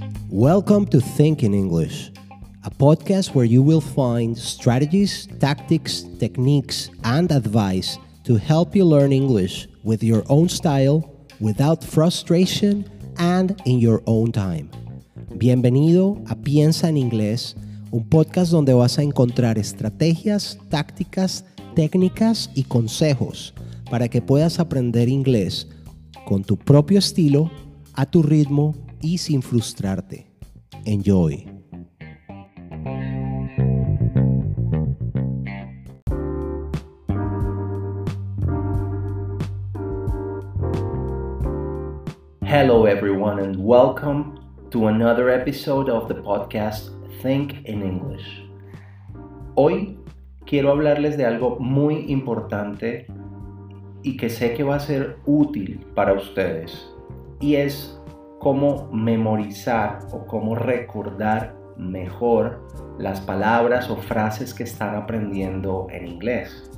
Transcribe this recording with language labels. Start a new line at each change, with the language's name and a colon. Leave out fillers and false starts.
English: Welcome to Think in English, a podcast where you will find strategies, tactics, techniques, and advice to help you learn English with your own style, without frustration, and in your own time.
Spanish: Bienvenido a Piensa en Inglés, un podcast donde vas a encontrar estrategias, tácticas, técnicas y consejos para que puedas aprender inglés con tu propio estilo, a tu ritmo y sin frustrarte.
English: Enjoy. Hello everyone and welcome to another episode of the podcast Think in English.
Spanish: Hoy quiero hablarles de algo muy importante y que sé que va a ser útil para ustedes, y es cómo memorizar o cómo recordar mejor las palabras o frases que están aprendiendo en inglés.